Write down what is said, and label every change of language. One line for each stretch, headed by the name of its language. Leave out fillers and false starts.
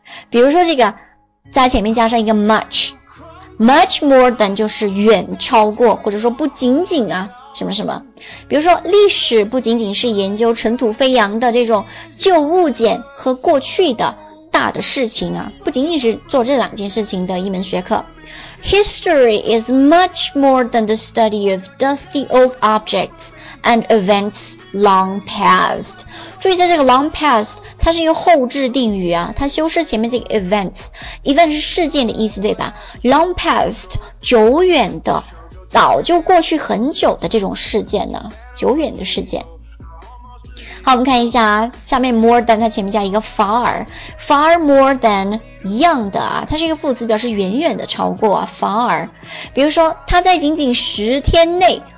Chinese: 比如说这个在前面加上一个 much， much more than 就是远超过或者说不仅仅啊什么什么，比如说历史不仅仅是研究尘土飞扬的这种旧物件和过去的大的事情啊，不仅仅是做这两件事情的一门学科。
English: History is much more than the study of dusty old objectsand events long past，
Chinese: 注意在这个 long past 它是一个后置定语啊，它修饰前面这个 events， event 是事件的意思，对吧？ long past 久远的，早就过去很久的这种事件呢，久远的事件。好，我们看一下下面 more than 它前面加一个 far， far more than 一样的啊，它是一个副词，表示远远的超过、啊、far。 比如说它在仅仅10天内